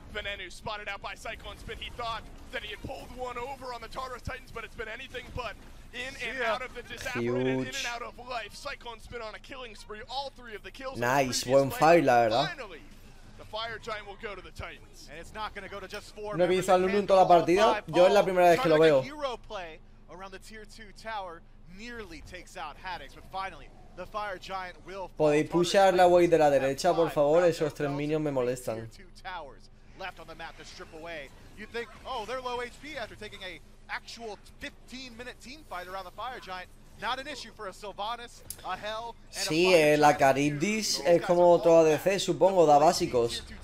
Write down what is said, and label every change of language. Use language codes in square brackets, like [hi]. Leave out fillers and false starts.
[en] Venenu spotted out by Cyclone Spin. He thought that he had pulled one over on the Tartarus Titans, but it's been anything but. In and out of the disapparated, in and out of life. Cyclone Spin on a killing spree. All three of the kills. [es] Nice, buen fight, la verdad. [en] Finally, the Fire Giant will go to the Titans. And it's not going to go to just four. [es] No he visto a Lulu en toda la partida. Yo es la primera vez que lo veo. [en] Around the tier 2 tower nearly takes out Haddix, but finally the Fire Giant will fall. [es] ¿Podéis pushar la wave de la derecha, por favor? Esos tres minions me molestan. [en] Left on the map to strip away. You think, oh, they're low HP after taking a actual 15 minute team fight around the Fire Giant. Not an issue for a Sylvanas, a Hell, and a [es] sí, la Charybdis es como otro ADC, supongo, da básicos.